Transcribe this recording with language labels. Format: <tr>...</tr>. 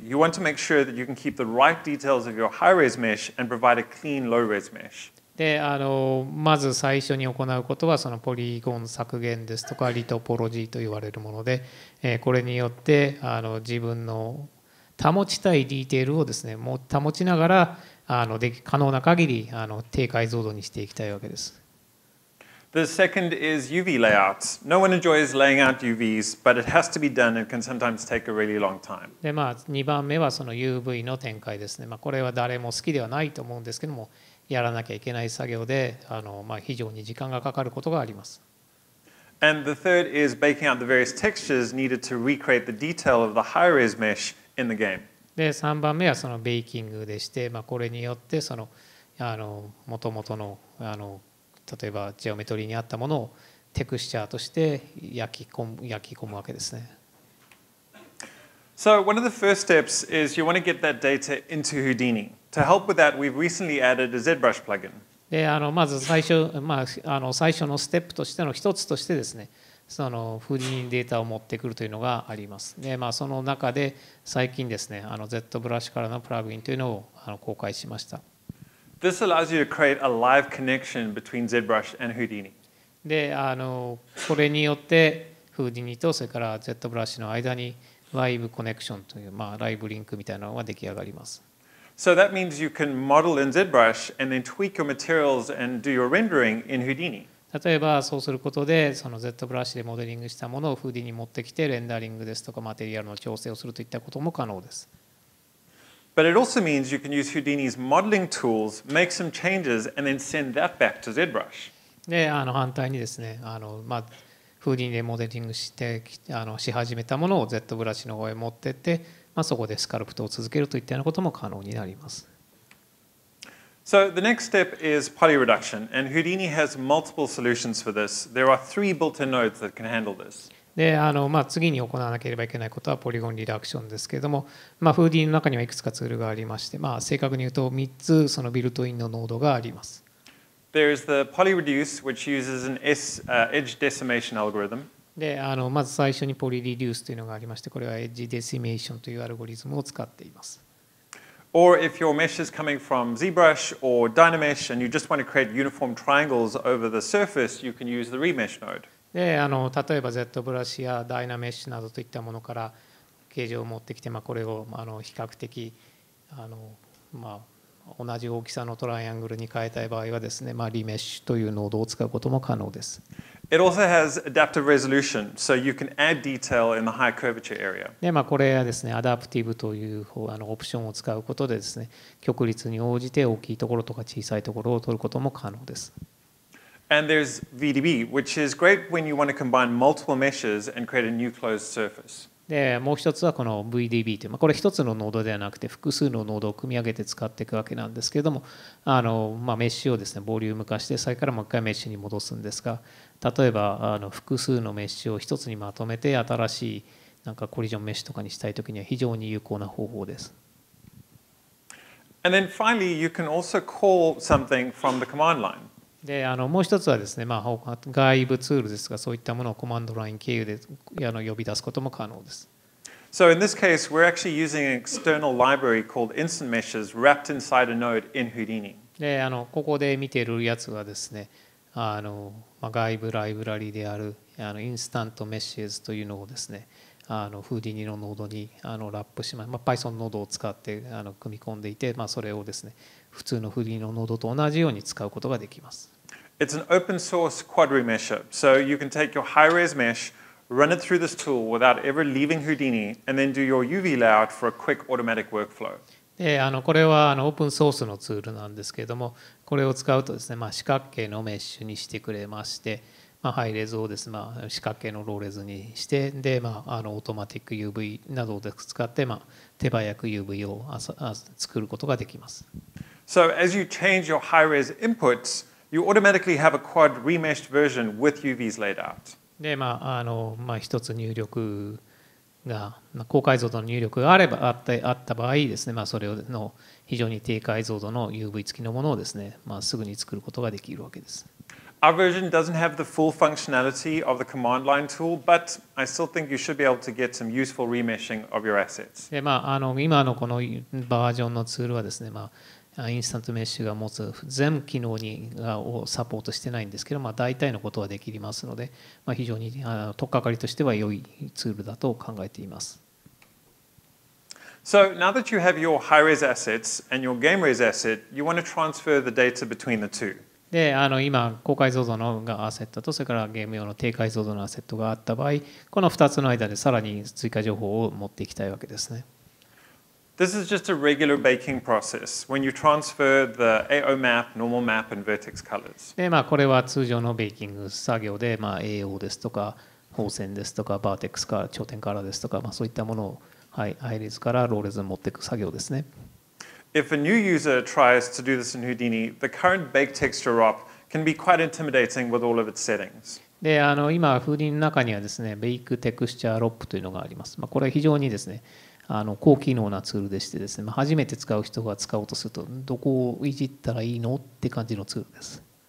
<en>You want to make sure that you can keep the right details of your high-res mesh and provide a clean low-res mesh.</en> <ja>で、まず最初に行うことはそのポリゴン削減ですとかリトポロジーと言われるもので、これによって自分の保ちたいディテールをですね、もう保ちながら可能な限り低解像度にしていきたいわけです。</ja> <en>The second is UV layouts. No one enjoys laying out UVs, but it has to be done and can sometimes take a really long time.</en> <ja>で、まあ、2番目はその UV の展開ですね。まあ、これは誰も好きではないと思うんですけども、やらなきゃいけない作業で、まあ、非常に時間がかかることがあります。</ja> <en>And the third is baking out the various textures needed to recreate the detail of the high-res mesh in the game.</en> <ja>で、3番目はそのベーキングでして、まあ、これによってその、もともとの、例えばジオメトリーにあったものをテクスチャーとして焼き込むわけですね。</ja> <en>So one of the first steps is you want to get that data into Houdini. To help with that, we've recently added a ZBrush plugin.</en> <ja>で、まず最初、まあ、最初のステップとしての一つとしてですね、そのHoudiniデータを持ってくるというのがあります。で、まあ、その中で最近ですね、ZBrush からのプラグインというのを公開しました。</ja> <en>This allows you to create a live connection between ZBrush and Houdini.</en> <ja>で、これによってHoudiniとそれから ZBrush の間にライブコネクションという、まあ、ライブリンクみたいなのが出来上がります。</ja> <en>So that means you can model in ZBrush and then tweak your materials and do your rendering in Houdini.</en> <ja>例えばそうすることで、その ZBrush でモデリングしたものを Houdini に持ってきて、レンダリングですとか、マテリアルの調整をするといったことも可能です。</ja> <en>But it also means you can use Houdini's modeling tools, make some changes, and then send that back to ZBrush.</en> <ja>で、反対にですね、まあ、Houdini でモデリングして、し始めたものを ZBrush の方へ持ってって、まあ、そこでスカルプトを続けるといったようなことも可能になります。</ja> <en>So the next step is poly reduction, and Houdini has multiple solutions for this. There are three built-in nodes that can handle this.</en> <ja>で、まあ、次に行わなければいけないことはポリゴンリダクションですけれども、まあ、Houdini の中にはいくつかツールがありまして、まあ、正確に言うと3つそのビルトインのノードがあります。</ja> <en>There is the poly reduce, which uses an edge decimation algorithm.</en> <ja>で、まず最初にポリリデュースというのがありまして、これはエッジデシメーションというアルゴリズムを使っています。</ja> <en>Or if your mesh is coming from ZBrush or DynaMesh and you just want to create uniform triangles over the surface, you can use the remesh node.</en> <ja>で、例えば ZBrush や DynaMesh などといったものから形状を持ってきて、まあ、これを比較的まあ、同じ大きさのトライアングルに変えたい場合はですね、まあ、リメッシュというノードを使うことも可能です。</ja> <en>It also has adaptive resolution, so you can add detail in the high curvature area.</en> <ja>で、まあ、これはですね、アダプティブという方オプションを使うことでですね、曲率に応じて大きいところとか小さいところを取ることも可能です。</ja> <en>And there's VDB, which is great when you want to combine multiple meshes and create a new closed surface.</en> <ja>でもう一つはこの VDB という、まあ、これ一つのノードではなくて複数のノードを組み上げて使っていくわけなんですけれども、まあ、メッシュをですねボリューム化して最初からもう一回メッシュに戻すんですが、例えば複数のメッシュを一つにまとめて新しいなんかコリジョンメッシュとかにしたいときには非常に有効な方法です。</ja> <en>And then finally, you can also call something from the command line.</en> <ja>で、もう一つはですね、まあ、外部ツールですが、そういったものをコマンドライン経由で呼び出すことも可能です。</ja> <en>So in this case, we're actually using an external library called Instant Meshes wrapped inside a node in Houdini.</en> <ja>で、ここで見ているやつはですね、まあ、外部ライブラリであるInstant Meshes というのをですね、Houdini のノードにラップします。まあ、Python ノードを使って組み込んでいて、まあ、それをですね、普通のフリーのノードと同じように使うことができます。</ja> <en>It's an open source quadri mesher. So you can take your high-res mesh, run it through this tool without ever leaving Houdini, and then do your UV layout for a quick automatic workflow.</en> <ja>で、これはオープンソースのツールなんですけれども、これを使うとですね、まあ、四角形のメッシュにしてくれまして、まあ、ハイレズをですね、まあ、四角形のローレズにして、で、まあ、オートマティック UV などを使って、まあ、手早く UV を作ることができます。</ja> <en>So as you change your high-res inputs, you automatically have a quad remeshed version with UVs laid out.</en> <ja>で、まあ、まあ、一つ入力が、まあ、高解像度の入力があればあった場合ですね、まあ、それの非常に低解像度の UV 付きのものをですね、まあ、すぐに作ることができるわけです。</ja> <en>Our version doesn't have the full functionality of the command line tool, but I still think you should be able to get some useful remeshing of your assets.</en> <ja>で、まあ、今のこのバージョンのツールはですね、まあインスタントメッシュが持つ全機能にをサポートしてないんですけど、まあ、大体のことはできますので、まあ、非常に取っかかりとしては良いツールだと考えています。</ja> <en>So now that you have your high-res assets and your game-res asset, you want to transfer the data between the two.</en> <ja>で、今、高解像度のアセットと、それからゲーム用の低解像度のアセットがあった場合、この2つの間でさらに追加情報を持っていきたいわけですね。</ja> <en>This is just a regular baking process when you transfer the AO map, normal map, and vertex colors.</en> <ja>で、まあこれは通常のベーキング作業で、まあ AO ですとか方線ですとかバーテックスか頂点カラーですとか、まあそういったものを、はい、アイリスからローレズに持っていく作業ですね。</ja> <en>If a new user tries to do this in Houdini, the current bake texture ROP can be quite intimidating with all of its settings.</en> <ja>で、あの今フーディンの中にはですね、ベイクテクスチャーロップというのがあります。まあこれは非常にですね。あの高機能なツールでしてですね、初めて使う人が使おうとするとどこをいじったらいいのって感じのツールです。</ja>